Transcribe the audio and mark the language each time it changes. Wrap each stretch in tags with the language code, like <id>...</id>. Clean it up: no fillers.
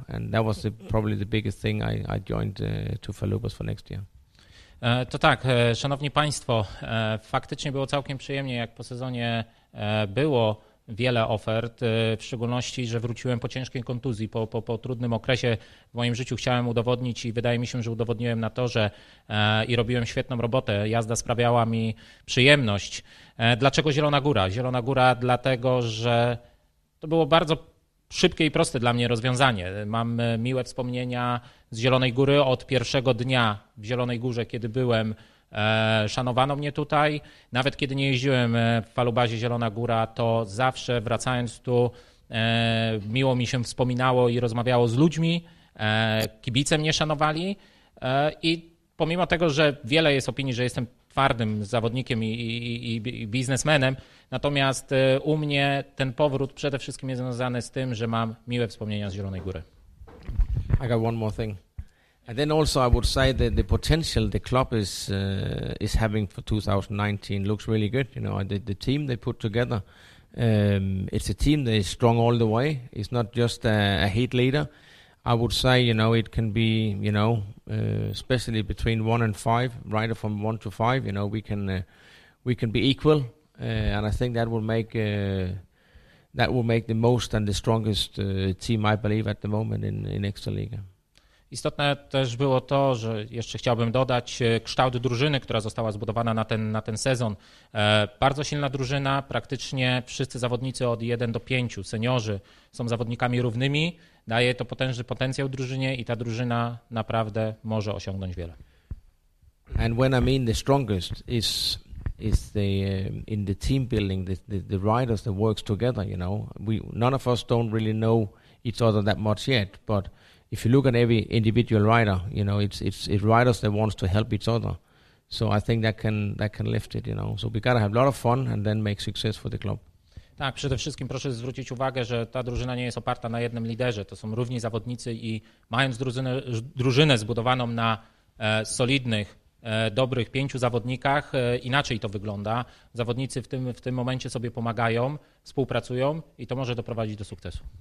<en>And that was probably the biggest thing I joined to Falubas for next year.</en> <pl>To tak, szanowni państwo, faktycznie było całkiem przyjemnie, jak po sezonie było wiele ofert, w szczególności, że wróciłem po ciężkiej kontuzji, po trudnym okresie w moim życiu chciałem udowodnić i wydaje mi się, że udowodniłem na torze i robiłem świetną robotę, jazda sprawiała mi przyjemność. Dlaczego Zielona Góra? Zielona Góra dlatego, że to było bardzo szybkie i proste dla mnie rozwiązanie. Mam miłe wspomnienia z Zielonej Góry od pierwszego dnia w Zielonej Górze, kiedy byłem, szanowano mnie tutaj. Nawet kiedy nie jeździłem w Falubazie Zielona Góra, to zawsze wracając tu miło mi się wspominało i rozmawiało z ludźmi. Kibice mnie szanowali i pomimo tego, że wiele jest opinii, że jestem twardym zawodnikiem i biznesmenem, natomiast u mnie ten powrót przede wszystkim jest związany z tym, że mam miłe wspomnienia z Zielonej Góry.</pl> <en>I got one more thing. And then also I would say that the potential the club is having for 2019 looks really good. You know, the team they put together, it's a team that is strong all the way. It's not just a heat leader. I would say, you know, it can be, you know, especially between 1 and 5, right from 1 to 5, you know, we can be equal. And I think that will make that will make the most and the strongest team, I believe, at the moment in Ekstraliga.</en> <pl>Istotne też było to, że jeszcze chciałbym dodać kształt drużyny, która została zbudowana na ten sezon. Bardzo silna drużyna, praktycznie wszyscy zawodnicy od 1 do 5, seniorzy, są zawodnikami równymi. Daje to potężny potencjał drużynie i ta drużyna naprawdę może osiągnąć wiele.</pl> <en>And when I mean the strongest is the in the team building, the riders that works together, you know. None of us don't really know each other that much yet, but if you look at every individual rider, you know, it's riders that wants to help each other. So I think that can lift it, you know. So we gotta have a lot of fun and then make success for the club.</en> <pl>Tak, przede wszystkim proszę zwrócić uwagę, że ta drużyna nie jest oparta na jednym liderze. To są równi zawodnicy i mając drużynę zbudowaną na solidnych, dobrych pięciu zawodnikach, inaczej to wygląda. Zawodnicy w tym momencie sobie pomagają, współpracują i to może doprowadzić do sukcesu.</pl>